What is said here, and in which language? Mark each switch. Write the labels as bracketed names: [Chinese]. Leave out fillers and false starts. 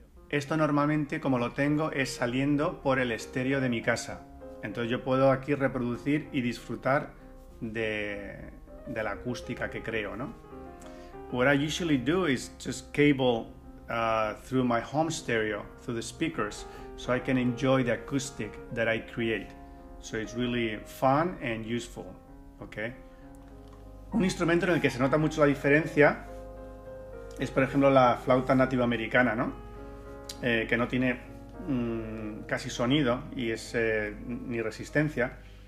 [Spanish] Esto normalmente, como lo tengo, es saliendo por el estéreo de mi casa. Entonces yo puedo aquí reproducir y disfrutar de la acústica que creo, ¿no? [English] What I usually do is just cable through my home stereo, through the speakers, so I can enjoy the acoustic that I create. So it's really fun and useful, okay? [Spanish] Un instrumento en el que se nota mucho la diferencia es, por ejemplo, la flauta nativa americana, ¿no? Que no tiene casi sonido y es ni resistencia.